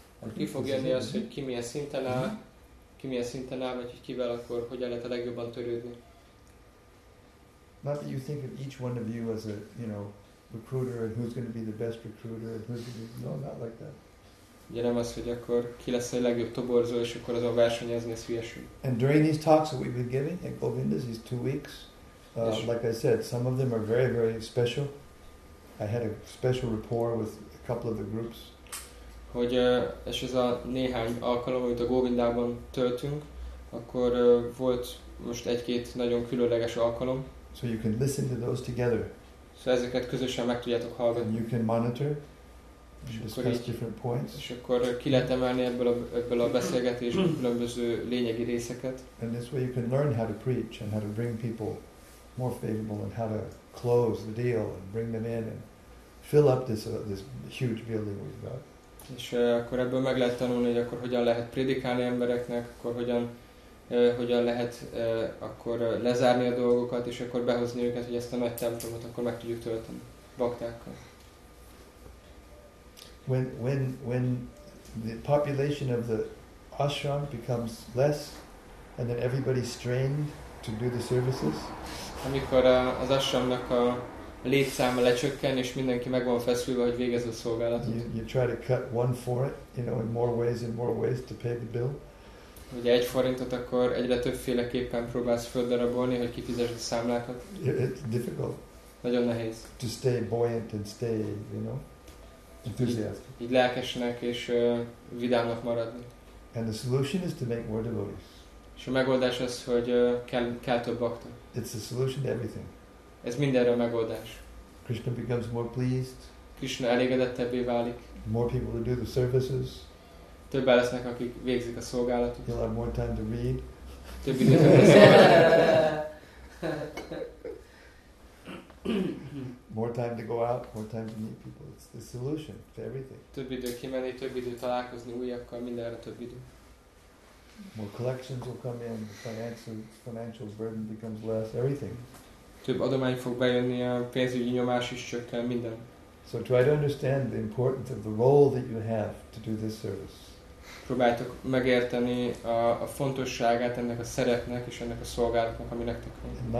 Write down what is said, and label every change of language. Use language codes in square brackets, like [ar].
[en] And [hu] ki fog jönni az, hogy ki milyen szinten áll, ki milyen szinten áll, vagy kivel akkor hogyan lehet a legjobban törődni. [en] Not that you think of each one of you as a, you know, recruiter and who's going to be the best recruiter and who's going to be, no, not like that. [hu] Ugye nem az, hogy akkor ki lesz a legjobb toborzó, és akkor azon versenyezni, ez hülyeség. [en] And during these talks that we've been giving at Govinda's, these 2 weeks, like I said, some of them are very, very special. I had a special rapport with a couple of the groups. [hu] Hogy és ez a néhány alkalom, amit a Govindában töltünk, akkor volt most egy-két nagyon különleges alkalom. [en] So you can listen to those together. [hu] Szóval ezeket közösen meg tudjátok hallgatni. [en] And you can monitor. Discuss different points. [hu] És akkor ki lehet emelni ebből a beszélgetésből különböző lényegi részeket. [en] And this way you can learn how to preach and how to bring people more favorable and how to close the deal and bring them in and fill up this huge building we've got. [hu] És akkor ebből meg lehet tanulni, hogy akkor hogyan lehet prédikálni embereknek, akkor hogyan lehet akkor lezárni a dolgokat, és akkor behozni őket, hogy ezt a nagy templomot akkor meg tudjuk tölteni baktákkal. [en] When the population of the ashram becomes less, and then everybody's strained to do the services. [hu] Amikor az ashramnak a létszáma lecsökken, és mindenki meg van feszülve, hogy végezze a szolgálatot. [en] You try to cut one forint, you know, in more ways to pay the bill. [hu] Ugye egy forintot akkor egyre többféleképpen próbálsz földarabolni, hogy kifizesd a számlákat. [en] It's difficult. [hu] Nagyon nehéz. [en] To stay buoyant and stay, you know. [hu] Így lelkesnek és vidámnak maradni. [en] And the solution is to make more devotees. [hu] És a megoldás az, hogy kell több bakta. [en] It's the solution to everything. [hu] Ez mindenre a megoldás. [en] Krishna becomes more pleased. [hu] Krishna elégedettebbé válik. [en] More people to do the services. [hu] Többen lesznek, akik végzik a szolgálatot. [en] He'll have more time to read. [hu] Több időt kap a szolgálatot. [en] More time to go out, more time to meet people. It's the solution to everything. [hu] Több idő kimenni, több idő találkozni újakkal, mindenre több idő. [en] More collections will come in, the financial burden becomes less, everything. [hu] Több adomány fog bejönni, a pénzügyi nyomás is csökken, minden. [en] So try to understand the importance of the role that you have to do this service. [hu] Próbáljátok megérteni a fontosságát ennek a szeretnek és ennek a szolgálatnak, ami nektek van.